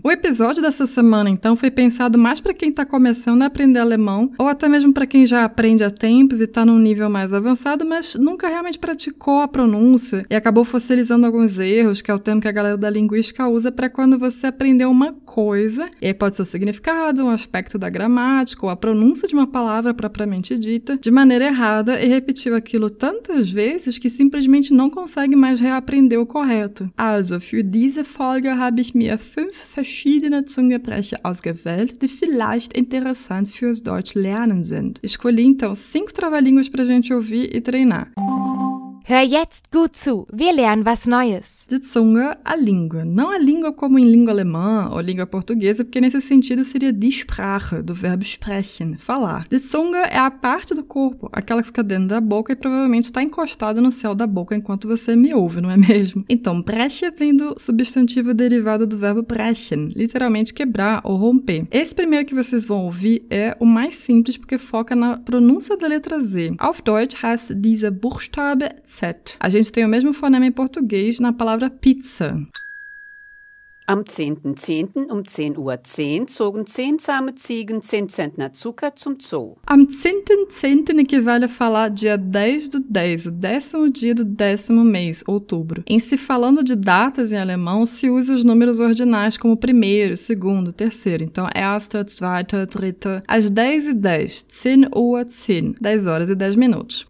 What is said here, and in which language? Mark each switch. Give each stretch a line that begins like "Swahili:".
Portuguese: O episódio dessa semana, então, foi pensado mais para quem tá começando a aprender alemão ou até mesmo para quem já aprende há tempos e tá num nível mais avançado, mas nunca realmente praticou a pronúncia e acabou fossilizando alguns erros, que é o termo que a galera da linguística usa para quando você aprendeu uma coisa, e aí pode ser o significado, um aspecto da gramática ou a pronúncia de uma palavra propriamente dita, de maneira errada e repetiu aquilo tantas vezes que simplesmente não consegue mais reaprender o correto.
German: Also, für diese Folge habe ich mir 5 verschiedene Zungenbrecher ausgewählt, die vielleicht interessant fürs Deutschlernen sind.
Portuguese: Escolhi então 5 trava-línguas para a gente ouvir e treinar.
German: Hör jetzt gut zu, wir lernen was Neues. Die Zunge,
Portuguese: a língua. Não a língua como em língua alemã ou língua portuguesa, porque nesse sentido seria die Sprache, do verbo sprechen, falar. Die Zunge é a parte do corpo, aquela que fica dentro da boca e provavelmente está encostada no céu da boca enquanto você me ouve, não é mesmo? Então, brecher vem do substantivo derivado do verbo brechen, literalmente quebrar ou romper. Esse primeiro que vocês vão ouvir é o mais simples, porque foca na pronúncia da letra Z.
German: Auf Deutsch heißt dieser Buchstabe Z.
Portuguese: A gente tem o mesmo fonema em português na palavra pizza.
German: Am 10.10. um 10 Uhr 10 zogen 10 zahme Ziegen 10 Zentner Zucker zum Zoo. Am 10.10.
Portuguese: equivale a falar dia 10 do 10, o décimo dia do décimo mês, outubro. Em se falando de datas em alemão, se usa os números ordinais como primeiro, segundo, terceiro. Então,
German: erster, zweiter, dritter.
Portuguese: Às 10 e 10,
German: 10 Uhr 10,
Portuguese: 10 horas e 10 minutos.